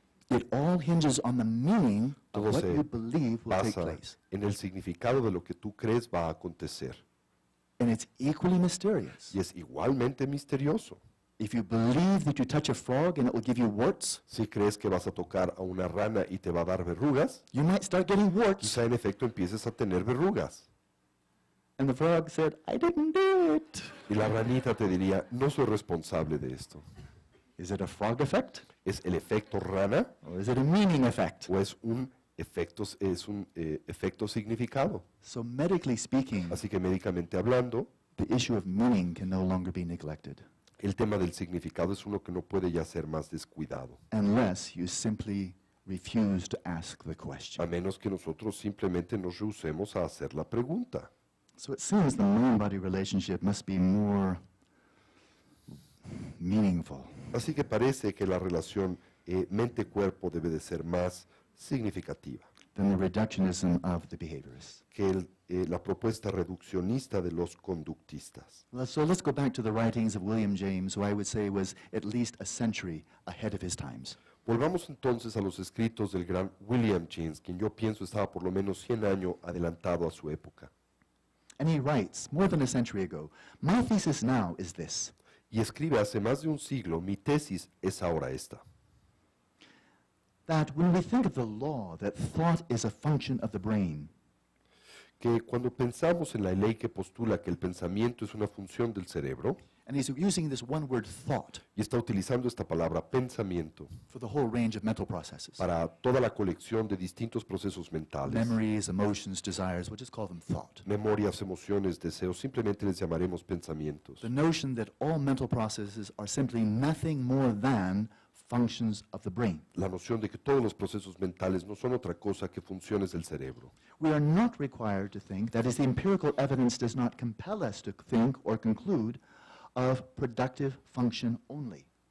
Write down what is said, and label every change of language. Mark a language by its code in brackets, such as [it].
[en] It all hinges on the meaning of what you believe will take place. [es] En el significado de lo que tú crees va a acontecer. [en] And it's equally mysterious. [es] Y es igualmente misterioso. [en] If you believe that you touch a frog and it will give you warts, [es] si crees que vas a tocar a una rana y te va a dar verrugas, [en] you might start getting warts. [es] Quizá en efecto empieces a tener verrugas. [en] And the frog said, I didn't do it. [es] Y la ranita te diría, no soy responsable de esto. [en] Is it a frog effect? [es] ¿Es el efecto rana? [en] Or is it a meaning effect? [es] ¿O es un efecto, efecto significado? [en] So medically speaking, [es] así que médicamente hablando, [en] the issue of meaning can no longer be neglected. [es] El tema del significado es uno que no puede ya ser más descuidado. [en] Unless you simply refuse to ask the question. [es] A menos que nosotros simplemente nos rehusemos a hacer la pregunta. [en] So it seems the mind-body relationship must be more meaningful. [es] Así que parece que la relación mente-cuerpo debe de ser más significativa. [en] Than the reductionism of the behaviorists. [es] Que la propuesta reduccionista de los conductistas. [en] So let's go back to the writings of William James, who I would say was at least a century ahead of his times. [es] Volvamos entonces a los escritos del gran William James, quien yo pienso estaba por lo menos 100 años adelantado a su época. [en] And he writes, more than a century ago, my thesis now is this. [es] Y escribe hace más de un siglo, mi tesis es ahora esta. [en] That when we think of the law that thought is a function of the brain, [es] que cuando pensamos en la ley que postula que el pensamiento es una función del cerebro, [en] and he's using this one word thought, [es] y está utilizando esta palabra pensamiento, [en] for the whole range of mental processes, [es] para toda la colección de distintos procesos mentales, [en] memories, emotions, desires, we'll just call them thought, [es] memorias, emociones, deseos, simplemente les llamaremos pensamientos, [en] the notion that all mental processes are simply nothing more than functions of the brain. [es] La noción de que todos los procesos mentales no son otra cosa que funciones del cerebro. [en] We are not required to think, that is, the empirical evidence does not compel us to think or conclude of productive function only.